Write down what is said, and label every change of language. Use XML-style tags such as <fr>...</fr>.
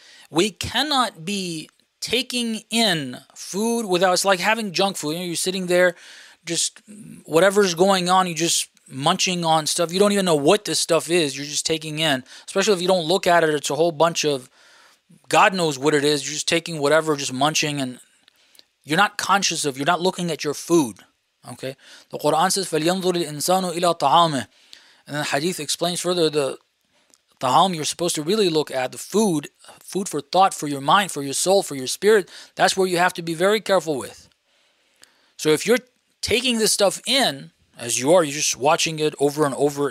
<en>We cannot be taking in food without, it's like having junk food. You know, you're sitting there, just whatever's going on, you just munching on stuff. You don't even know what this stuff is. You're just taking in. Especially if you don't look at it, it's a whole bunch of God knows what it is. You're just taking whatever, just munching, and you're not conscious of, you're not looking at your food. Okay? The Quran says,</en> <ar>فَلْيَنْظُرِ الْإِنسَانُ إِلَىٰ طَعَامِهِ.</ar> <en>And then the hadith explains further, the ta'am you're supposed to really look at, the food, food for thought, for your mind, for your soul, for your spirit, that's where you have to be very careful with. So if you're taking this stuff in, as you are, you're just watching it over and over.</en>